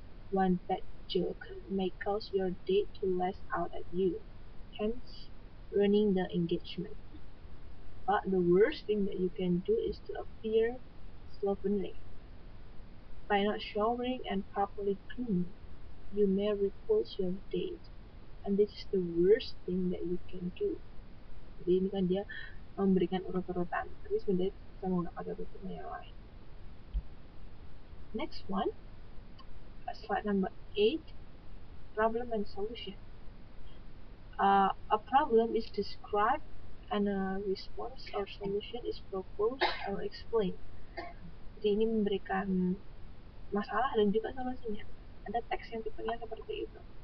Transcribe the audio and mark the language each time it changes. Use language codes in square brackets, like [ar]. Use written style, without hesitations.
[en] One bad joke may cause your date to lash out at you, hence ruining the engagement. But the worst thing that you can do is to appear slovenly. By not showering and properly cleaning, you may repulse your date. And this is the worst thing that you can do. [id] Jadi ini kan dia memberikan urut-urutan. Tapi sebenarnya sama nggak ada urutan yang lain. [en] Next one. Slide number 8. Problem and solution. A problem is described and a response or solution is proposed or explained. [id] Jadi ini memberikan masalah dan juga solusinya. Ada teks yang tipenya seperti itu.